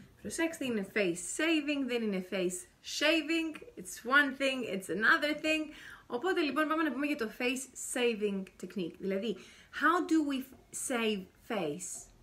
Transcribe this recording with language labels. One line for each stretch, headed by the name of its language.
Greek: Προσέξτε, είναι face saving, δεν είναι face shaving.
English: It's one thing, it's another thing.
Greek: Οπότε λοιπόν πάμε να πούμε για το face saving technique. Δηλαδή,
English: how do we save face?